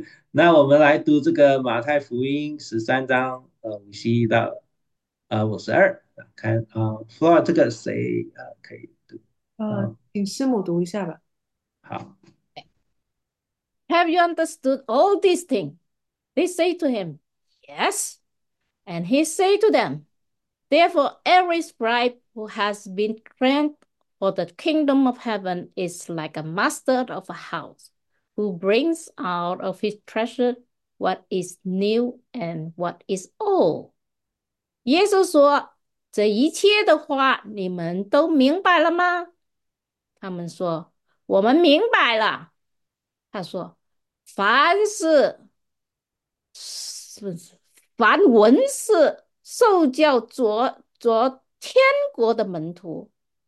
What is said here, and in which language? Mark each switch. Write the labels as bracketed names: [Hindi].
[Chinese] 那我们来读这个马太福音13章51到52，看不知道这个谁可以读请师母读一下吧。好。 [English] Have you understood all these things? They say to him, Yes. And he say to them, Therefore, every scribe who has been trained for the kingdom of heaven is like a master of a house who brings out of his treasure what is new and what is old. [Chinese] 耶稣说：“这一切的话，你们都明白了吗？” 他们说：“我们明白了。”他说：“凡文士受教做天国的门徒。”